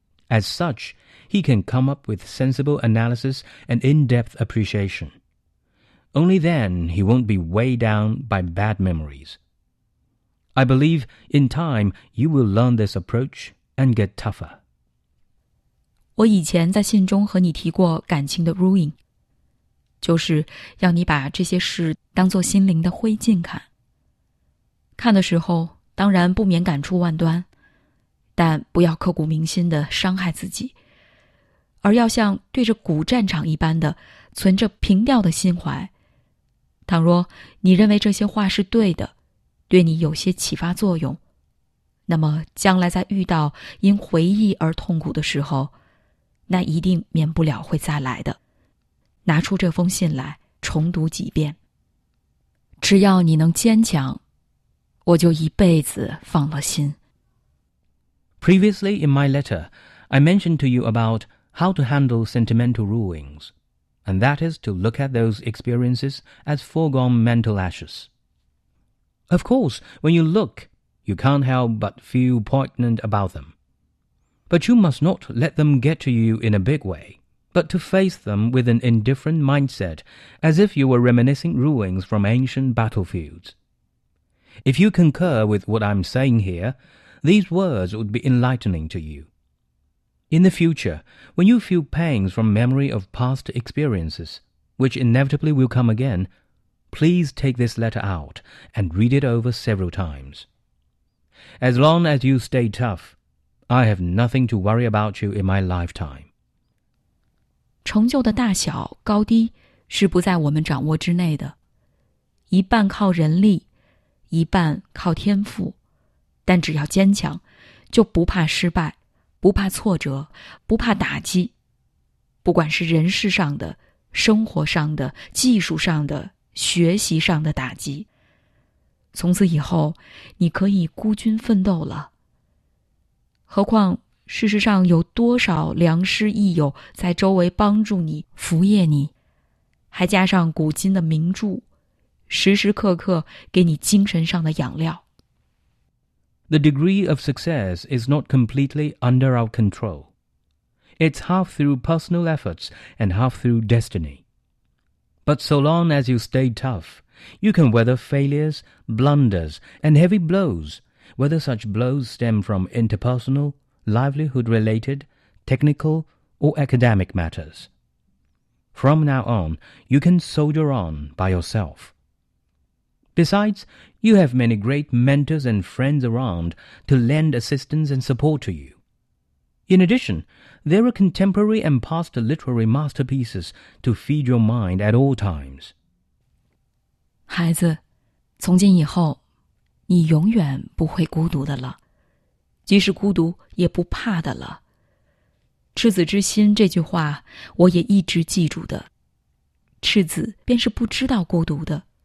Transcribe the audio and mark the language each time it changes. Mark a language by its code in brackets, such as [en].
[en] As such, he can come up with sensible analysis and in-depth appreciation. Only then he won't be weighed down by bad memories. I believe in time you will learn this approach and get tougher. [zh] 我以前在信中和你提过感情的 ruin， 就是要你把这些事当作心灵的灰烬看。看的时候当然不免感触万端，但不要刻骨铭心地伤害自己，而要像对着古战场一般的存着平调的心怀。倘若你认为这些话是对的，对你有些启发作用，那么将来在遇到因回忆而痛苦的时候，那一定免不了会再来的。拿出这封信来重读几遍，只要你能坚强，我就一辈子放了心。 [en] Previously in my letter, I mentioned to you about how to handle sentimental ruins, and that is to look at those experiences as foregone mental ashes. Of course, when you look, you can't help but feel poignant about them. But you must not let them get to you in a big way, but to face them with an indifferent mindset, as if you were reminiscing ruins from ancient battlefields. If you concur with what I'm saying here, these words would be enlightening to you. In the future, when you feel pangs from memory of past experiences, which inevitably will come again, please take this letter out and read it over several times. As long as you stay tough,I have nothing to worry about you in my lifetime. [zh] 成就的大小高低是不在我们掌握之内的，一半靠人力，一半靠天赋。但只要坚强，就不怕失败，不怕挫折，不怕打击。不管是人事上的、生活上的、技术上的、学习上的打击，从此以后，你可以孤军奋斗了。何况事实上有多少良师益友在周围帮助你扶掖你，还加上古今的名著，时时刻刻给你精神上的养料。 [en] The degree of success is not completely under our control. It's half through personal efforts and half through destiny. But so long as you stay tough, You can weather failures, blunders, and heavy blows, whether such blows stem from interpersonal, livelihood-related, technical, or academic matters. From now on, you can soldier on by yourself. Besides, you have many great mentors and friends around to lend assistance and support to you. In addition, there are contemporary and past literary masterpieces to feed your mind at all times. [zh] 孩子，从今以后，你永远不会孤独的了，即使孤独也不怕的了。赤子之心这句话我也一直记住的。赤子便是不知道孤独的。